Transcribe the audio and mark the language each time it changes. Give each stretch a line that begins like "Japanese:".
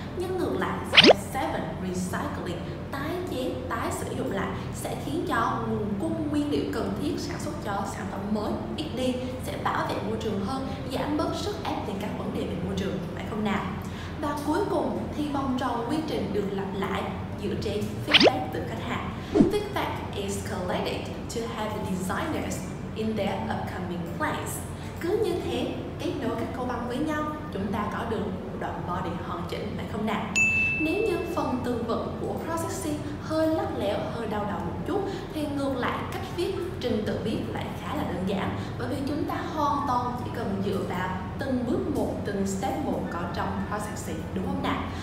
Vietnamese: Nhưng ngược lại, step 7, recycling, tái chế, tái sử dụng lại, sẽ khiến cho nguồn cung nguyên liệu cần thiết sản xuất cho sản phẩm mới ít đi, sẽ bảo vệ môi trường hơn, giảm bớt sức ép về các vấn đề về môi trường, phải không nào? Và cuối cùng thì vòng tròn quy trình được lặp lại dựa trên feedback từ khách hàng.
English: Feedback is collected to have the designers in their upcoming plans.
Vietnamese: Cứ như thế, kết nối các câu băng với nhau, chúng ta có được một đoạn body hoàn chỉnh, phải không nào? Nếu như phần từ vựng của processing hơi lắt léo, hơi đau đầu một chút, thì ngược lại cách viết, trình tự viết lại khá là đơn giản, bởi vì chúng ta hoàn toàn chỉ cần dựa vào từng bước một, từng step một có trong processing, đúng không nào?